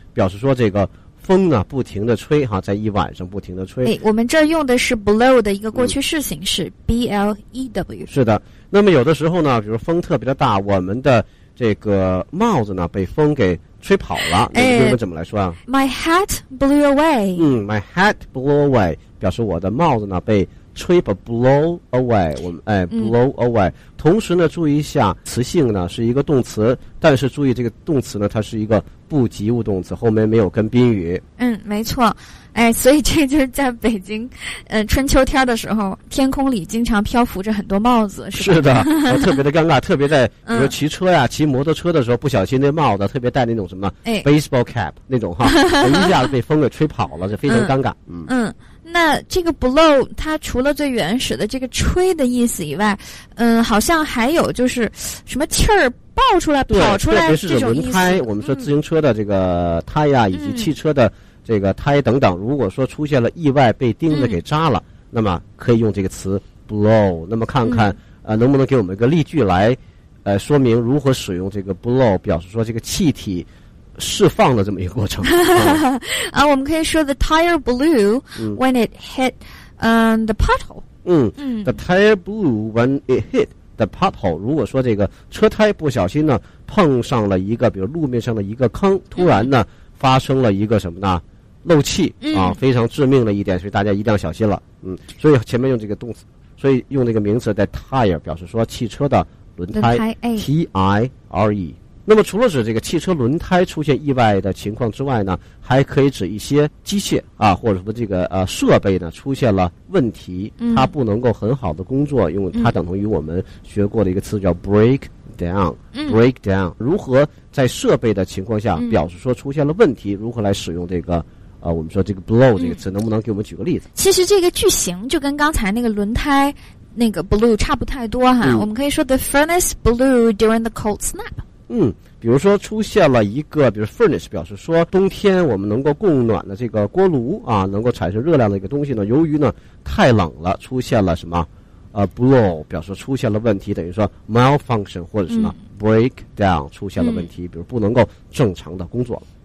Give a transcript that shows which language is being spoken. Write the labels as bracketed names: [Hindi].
[Chinese] 表示说这个风呢不停地吹哈，在一晚上不停地吹。我们这用的是 blow 的一个过去式形式，blew。是的，那么有的时候呢，比如风特别的大，我们的这个帽子呢被风给吹跑了，那英文怎么来说啊？ [English] My hat blew away。 My hat blew away [Chinese] 表示我的帽子呢被吹吧 blow away。 [English] Blow away。 [Chinese] 同时呢，注意一下，词性呢是一个动词，但是注意这个动词呢，它是一个不及物动词，后面没有跟宾语。没错。所以这就是在北京，春秋天的时候，天空里经常漂浮着很多帽子，是吧？是的，特别的尴尬，特别在比如骑车呀、骑摩托车的时候，不小心那帽子特别戴那种什么baseball cap 那种哈，一下子被风给吹跑了，就非常尴尬。那这个 blow 它除了最原始的这个吹的意思以外，好像还有就是什么气儿爆出来、跑出来这种意思。轮胎，我们说自行车的这个胎呀、以及汽车的。这个胎等等，如果说出现了意外被钉子给扎了，那么可以用这个词 blow。那么看看能不能给我们一个例句来说明如何使用这个 blow 表示说这个气体释放的这么一个过程。我们可以说 [English] the tire blew when it hit the pothole。 the tire blew when it hit the pothole。 [Chinese] 如果说这个车胎不小心呢碰上了一个比如路面上的一个坑，突然呢发生了一个什么呢？漏气啊，非常致命的一点，所以大家一定要小心了。所以前面用这个动词，所以用这个名词在 tire 表示说汽车的轮胎 ，tire。那么除了指这个汽车轮胎出现意外的情况之外呢，还可以指一些机械啊，或者说这个设备呢出现了问题，它不能够很好的工作，用它等同于我们学过的一个词叫 break。 Breakdown， 如何在设备的情况下表示说出现了问题？如何来使用这个我们说这个 blow 这个词，能不能给我们举个例子？其实这个句型就跟刚才那个轮胎那个 blew 差不太多哈。我们可以说 [English] the furnace blew during the cold snap。 [Chinese] 比如说出现了一个，比如 furnace 表示说冬天我们能够供暖的这个锅炉啊，能够产生热量的一个东西呢，由于呢太冷了，出现了什么？ blow 表示出现了问题，等于说 malfunction 或者什么 breakdown 出现了问题，比如不能够正常的工作了。